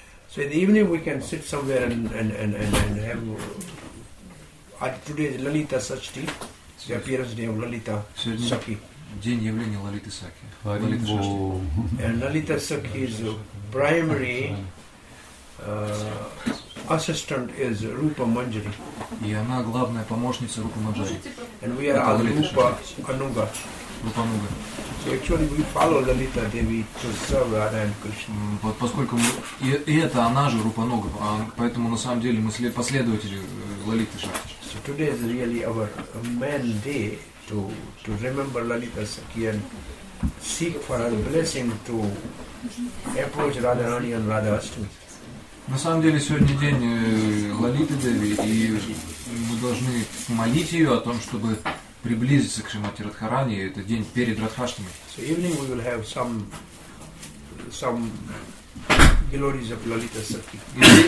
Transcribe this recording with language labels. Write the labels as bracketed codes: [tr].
[en] So in the evening we can sit somewhere and have today is Lalita Sashti. The appearance day of Lalita Sakhi. [ru] День явления Лалиты Сакхи. [en] Лалита Сакхи is primary assistant is Rupa Manjari. [ru] И она главная помощница Рупа Манджари. [en] And we are Rupa Anuga. Rupa Anuga. So actually we follow Lalita Devi to serve Radha and Krishna. [ru] Вот поскольку и это она же Рупа Нуга, поэтому на самом деле мы последователи Лалиты Шакти. [en] So today is really our main day. To remember Lalita Sakhi and seek for her blessing to approach Radharani and Radhashtami. [ru] На самом деле сегодня день Лалиты Деви, и мы должны молить ее о том, чтобы приблизиться к Шримати Радхарани. Это день перед Радхаштами. [en] So evening we will have some glories of Lalita Sakhi.